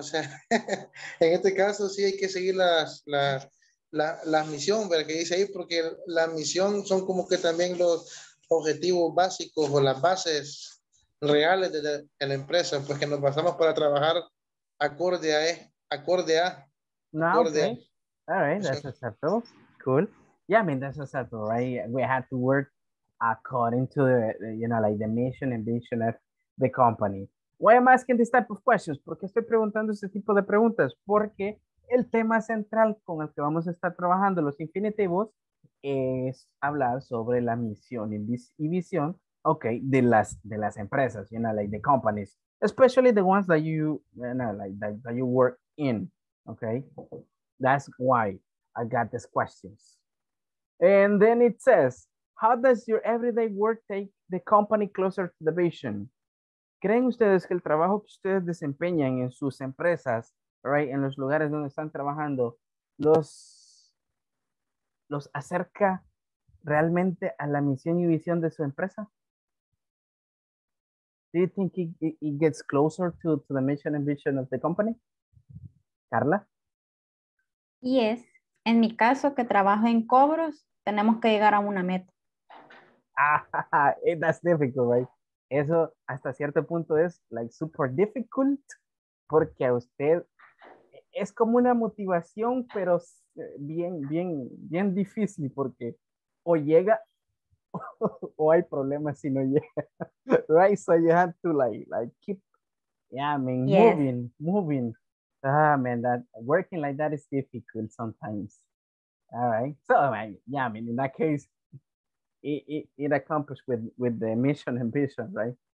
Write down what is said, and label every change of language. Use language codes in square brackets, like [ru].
[es] O sea, en este caso sí hay que seguir las misión, ¿verdad? Que dice ahí, porque la misión son como que también los objetivos básicos o las bases reales de la empresa, pues que nos basamos para trabajar acorde a. No, acorde. [en] Okay. All right, that's acceptable. Cool. Yeah, I mean, that's acceptable, right? We had to work according to the, you know, like the mission and vision of the company. Why am I asking this type of questions? [es] ¿Por qué estoy preguntando este tipo de preguntas? Porque el tema central con el que vamos a estar trabajando los infinitivos es hablar sobre la misión y visión, okay, de las empresas, [en] you know, like the companies, especially the ones that you you work in, [es] okay? [en] That's why I got these questions. And then it says, how does your everyday work take the company closer to the vision? [es] ¿Creen ustedes que el trabajo que ustedes desempeñan en sus empresas, right, en los lugares donde están trabajando, los acerca realmente a la misión y visión de su empresa? [en] Do you think it gets closer to the mission and vision of the company? Carla? Yes. [es] En mi caso, que trabajo en cobros, tenemos que llegar a una meta. [en] Ah, that's difficult, right? [es] Eso hasta cierto punto es [en] like super difficult [es] porque a usted es como una motivación, pero bien, bien, bien difícil porque o llega o hay problemas si no llega. [en] Right? So you have to like keep, yeah, I mean, yes. moving. Ah, man, that working like that is difficult sometimes. All right. So, yeah, I mean, in that case, it accomplished with the mission and vision, right?